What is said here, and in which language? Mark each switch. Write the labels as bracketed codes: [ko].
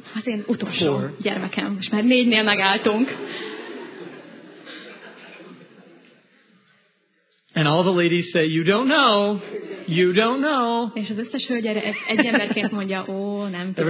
[hu] Az én utolsó gyermekem, most már négynél megálltunk. [en] And all the ladies say, you don't know, you don't know. [hu] És az összes hölgy egy emberként mondja, ó, nem tudod.